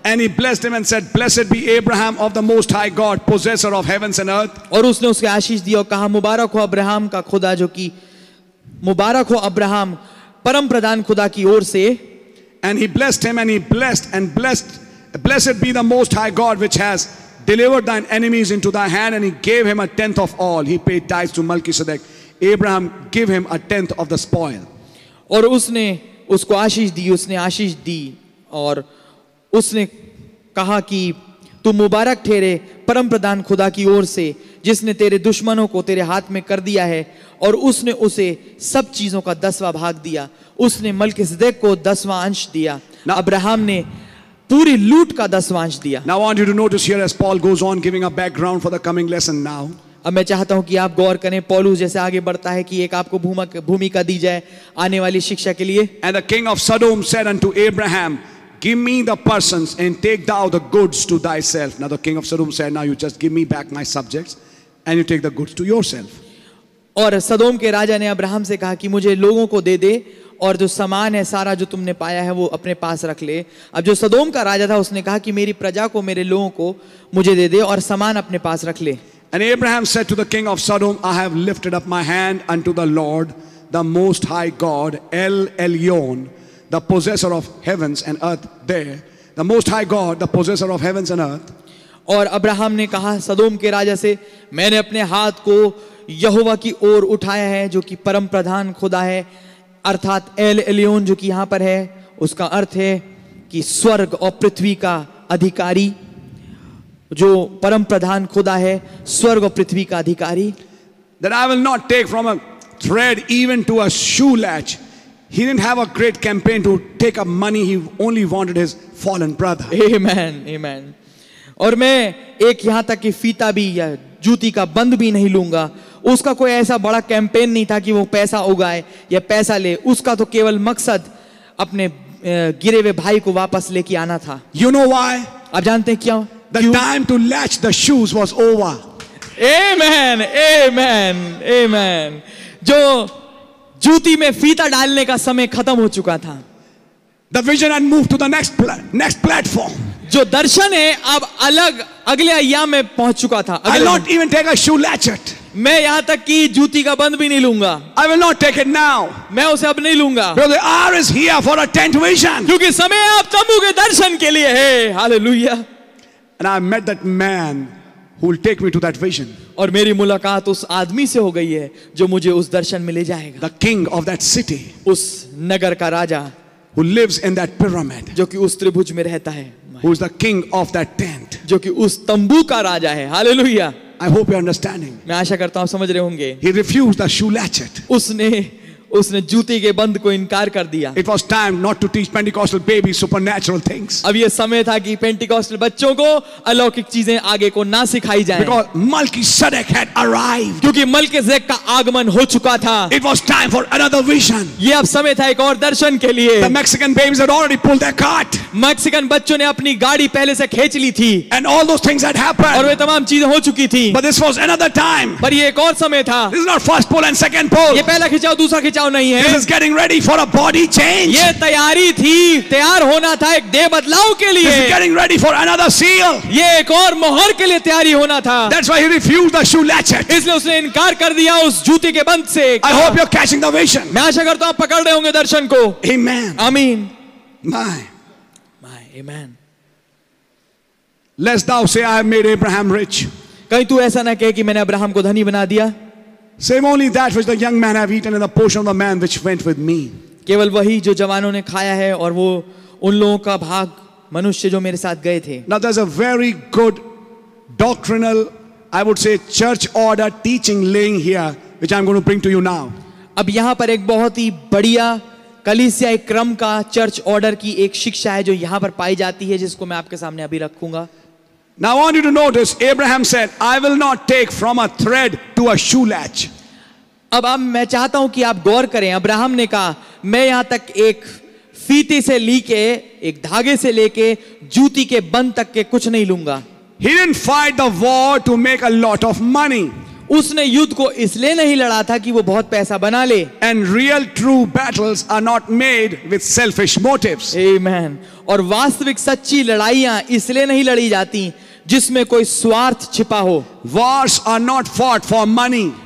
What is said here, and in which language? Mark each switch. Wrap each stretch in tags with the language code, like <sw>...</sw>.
<en>And he blessed him and said, "Blessed be Abraham of the Most High God, possessor of heavens and earth."</en> <hi>और उसने उसके आशीष दी और कहा, मुबारक हो Abraham का खुदा जो कि मुबारक हो अब्राहम परम प्रधान खुदा की ओर से.</hi> <en>And he blessed him and he blessed and blessed. Blessed be the Most High God which has delivered thine enemies into thy hand. And he gave him a tenth of all. He paid tithes to Melchizedek. Abraham gave him a tenth of the spoil.</en> <hi>और उसने उसको आशीष दी. उसने आशीष दी और उसने कहा कि तू मुबारक ठहरे परम प्रधान खुदा की ओर से जिसने तेरे दुश्मनों को तेरे हाथ में कर दिया है और उसने उसे सब चीजों का दसवां भाग दिया. उसने Melchizedek को दसवां अंश दिया. Now, अब्राहम ने पूरी लूट का दसवां अंश दिया.</hi> <en>Now I want you to notice here as Paul goes on giving a background for the coming lesson now.</en> <hi>अब मैं चाहता हूं कि आप गौर करें पौलुस जैसे आगे बढ़ता है कि एक आपको भूमिका दी जाए आने वाली शिक्षा के लिए.</hi> <en>And the king of Sodom said unto Abraham, "Give me the persons and take thou the goods to thyself." Now the king of Sodom said, "Now you just give me back my subjects and you take the goods to yourself."</en> <hi>और सदोम के राजा ने Abraham से कहा कि मुझे लोगों को दे दे और जो सामान है सारा जो तुमने पाया है वो अपने पास रख ले. अब जो सदोम का राजा था उसने कहा कि मेरी प्रजा को मेरे लोगों को मुझे दे दे और सामान अपने पास रख ले.</hi> <en>And Abraham said to the king of Sodom, "I have lifted up my hand unto the Lord, the Most High God, El Elyon, the possessor of heavens and earth there, the Most High God, the possessor of heavens and earth."</en> <hi>और Abraham ने कहा सदोम के राजा से, मैंने अपने हाथ को यहोवा की ओर उठाया है जो कि परम प्रधान खुदा है अर्थात एल एलियोन जो कि यहां पर है उसका अर्थ है कि स्वर्ग और पृथ्वी का अधिकारी जो परम प्रधान खुदा है स्वर्ग और पृथ्वी का अधिकारी.</hi> <en>That I will not take from a thread even to a shoe latch. He didn't have a great campaign to take up money. He only wanted his fallen brother. Amen, amen.</en> <hi>और मैं एक यहां तक कि फीता भी या जूती का बंद भी नहीं लूंगा. उसका कोई ऐसा बड़ा कैंपेन नहीं था कि वो पैसा उगाए या पैसा ले. उसका तो केवल मकसद अपने गिरे हुए भाई को वापस लेके आना था.</hi> <en>You know why?</en> <hi>आप जानते हैं क्यों?</hi> <en>The time to latch the shoes was over. Amen, amen, amen.</en> <hi>जो जूती में फीता डालने का समय खत्म हो चुका था.</hi> <en>The vision had moved to the next platform.</en> <hi>जो दर्शन है अब अलग अगले आयाम में पहुंच चुका था.</hi> <en>I will not even take a shoe latchet.</en> <hi>मैं यहां तक कि जूती का बंद भी नहीं लूंगा.</hi> <en>I will not take it now.</en> <hi>मैं उसे अब नहीं लूंगा.</hi> <en>Because the hour is here for a tent vision.</en> <hi>क्योंकि समय अब तंबू के दर्शन के लिए है.</hi> <en>Hallelujah. And I met that man who will take me to that vision.</en> <hi>और मेरी मुलाकात उस आदमी से हो गई है जो मुझे उस दर्शन में ले जाएगा.</hi> <en>The king of that city.</en> <hi>उस नगर का राजा.</hi> <en>Who lives in that pyramid.</en> <hi>जो कि उस त्रिभुज में रहता है.</hi> <en>Who is the king of that tent.</en> <hi>जो कि उस तंबू का राजा है. Hallelujah.</hi> <en>I hope you're understanding.</en> <hi>मैं आशा करता हूँ समझ रहे होंगे.</hi> <en>He refused the shoe latchet.</en> <hi>उसने उसने जूते के बंद को इनकार कर दिया.</hi> <en>It was time not to teach Pentecostal babies supernatural things.</en> <hi>अब ये समय था कि Pentecostal बच्चों को अलौकिक चीजें आगे को ना सिखाई जाएं.</hi> <en>Because Melchizedek had arrived.</en> <hi>क्योंकि Melchizedek का आगमन हो चुका था.</hi> <en>It was time for another vision.</en> <hi>ये अब समय था एक और दर्शन के लिए.</hi> <en>The Mexican babies had already pulled their cart.</en> <hi>Mexican बच्चों ने अपनी गाड़ी पहले से खींच ली थी.</hi> <en>And all those things had happened.</en> <hi>और वे तमाम चीजें हो चुकी थी.</hi> <en>But this was another time.</en> <hi>पर ये एक और समय था.</hi> <en>This is not first pull and second pull.</en> <hi>ये पहला खिंचाव दूसरा खिंचाव नहीं है.</hi> <en>This is getting ready for a body change.</en> <hi>ये तैयारी थी, तैयार होना था एक देह बदलाव के लिए.</hi> <en>This is getting ready for another seal.</en> <hi>ये एक और मोहर के लिए तैयारी होना था.</hi> <en>That's why he refused the shoe latchet.</en> <hi>इसलिए उसने इनकार कर दिया उस जूते के बंद से.</hi> <en>I hope you're catching the vision.</en> <hi>मैं आशा करता हूँ आप पकड़ रहे होंगे दर्शन को.</hi> <en>Amen. Amen. My. My. Amen. Lest thou say, I have made Abraham rich.</en> <hi>कहीं तू ऐसा ना कहे कि मैंने अब्राहम को धनी बना दिया.</hi> <en>Same only that which the young man have eaten and the portion of the man which went with me.</en> <hi>केवल वही जो जवानों ने खाया है और वो उन लोगों का भाग मनुष्य जो मेरे साथ गए थे.</hi> <en>Now there's a very good doctrinal, I would say, church order teaching laying here which I'm going to bring to you now.</en> <hi>अब यहाँ पर एक बहुत ही बढ़िया कलीसिया एक क्रम का चर्च ऑर्डर की एक शिक्षा है जो यहाँ पर पाई जाती है जिसको मैं आपके सामने अभी रखूंगा.</hi> <en>Now I want you to notice, Abraham said, I will not take from a thread to a shoe latch.</en> <hi>अब आप मैं चाहता हूं कि आप गौर करें. अब्राहम ने कहा मैं यहां तक एक फीते से लेके एक धागे से लेके जूती के बंद तक के कुछ नहीं लूंगा.</hi> <en>He didn't fight the war to make a lot of money.</en> <hi>उसने युद्ध को इसलिए नहीं लड़ा था कि वो बहुत पैसा बना ले.</hi> <en>And real true battles are not made with selfish motives. Amen.</en> <hi>और वास्तविक सच्ची लड़ाइयां इसलिए नहीं लड़ी जाती जिसमें कोई स्वार्थ छिपा हो.</hi> <en>Wars are not fought for money.</en>